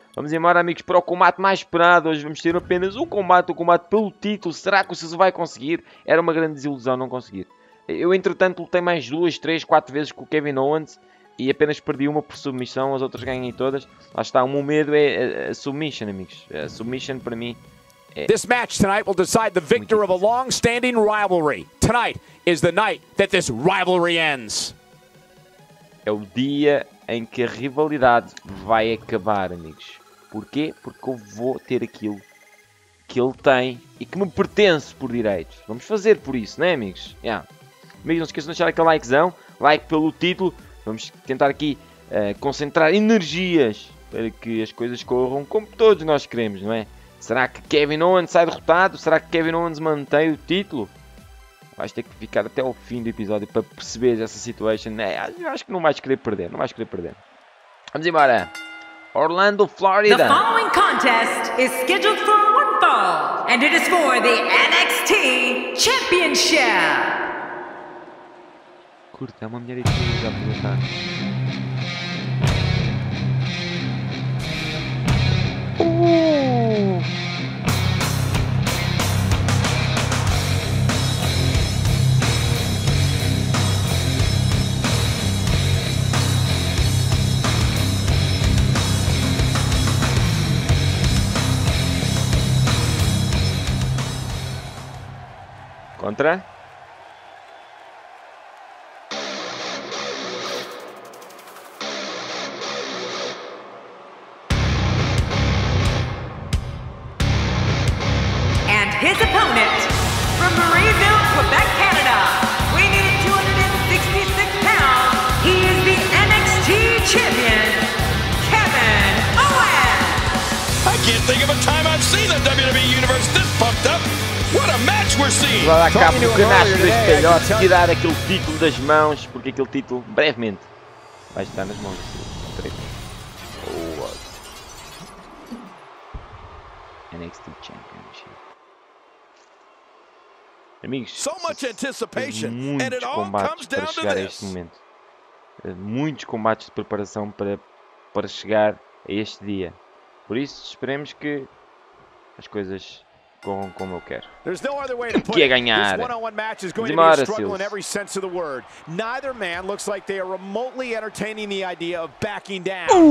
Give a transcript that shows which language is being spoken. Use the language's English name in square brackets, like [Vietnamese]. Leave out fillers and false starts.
[Portuguese] Vamos embora, amigos, para o combate mais esperado. Hoje vamos ter apenas um combate pelo título. Será que o Sils vai conseguir? Era uma grande desilusão não conseguir. Eu, entretanto, lutei mais 2, 3, 4 vezes com o Kevin Owens e apenas perdi uma por submissão, as outras ganhei todas. Lá está, o meu medo é a submission, amigos. A submission para mim. [English] This match tonight will decide the victor of a long-standing rivalry. Tonight is the night that this rivalry ends. [Portuguese] É o dia em que a rivalidade vai acabar, amigos. Porquê? Porque eu vou ter aquilo que ele tem e que me pertence por direito. Vamos fazer por isso, né, amigos? Yeah. Amigos, não se esqueçam de deixar aquele likezão. Like pelo título. Vamos tentar aqui concentrar energias para que as coisas corram como todos nós queremos, não é? Será que Kevin Owens sai derrotado? Será que Kevin Owens mantém o título? Vais ter que ficar até o fim do episódio para perceber essa situação. É, eu acho que não vais querer perder. Não vais querer perder. Vamos embora. Orlando, Florida. [English] The following contest is scheduled for one fall. And it is for the NXT Championship. [Portuguese] Curto, é uma mulher e tudo já vou deixar. Contra? [English] And his opponent from Marieville, Quebec, Canada, weighing in 266 pounds, he is the NXT champion, Kevin Owens. I can't think of a time I've seen the WWE universe this pumped up. What a match we're seeing! [Portuguese] Vai lá cá para o canastro deste calhote, tirar aquele título das mãos, porque aquele título, brevemente, vai estar nas mãos. [English] What? NXT Championship. [Portuguese] Amigos, [English] so much anticipation, [Portuguese] muitos combates para chegar a este momento. Muitos combates de preparação para chegar a este dia. Por isso, esperemos que as coisas corram como eu quero. O que é ganhar? Demora, Silas. [English] Neither man looks like they are remotely entertaining the idea of backing down.